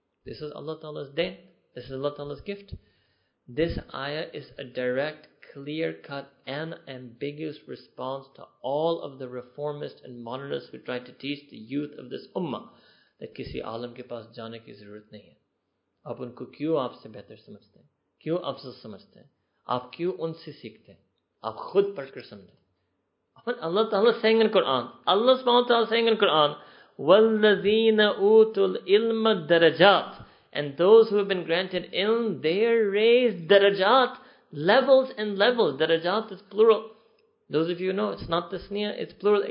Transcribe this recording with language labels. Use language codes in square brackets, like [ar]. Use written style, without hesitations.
[en] This is Allah Ta'ala's deen. This is Allah Ta'ala's gift. This ayah is a direct, clear-cut, and ambiguous response to all of the reformists and modernists who try to teach the youth of this ummah that [ur] kisi alam ke paas jaane ki zarurat nahi hai. آپ ان کو کیوں آپ سے بہتر سمجھتے ہیں؟ کیوں آپ سے سمجھتے ہیں؟ آپ کیوں ان سے سیکھتے ہیں؟ آپ خود پڑھ کر سمجھے۔ [en] But Allah Ta'ala saying in Quran, Allah subhanahu wa ta'ala saying in Quran, [ar] وَالَّذِينَ أُوتُوا الْإِلْمَ الدَّرَجَاتِ, [en] and those who have been granted ilm, they are raised darajat, levels and levels. Darajat is plural. Those of you who know, it's not the sniya, it's plural.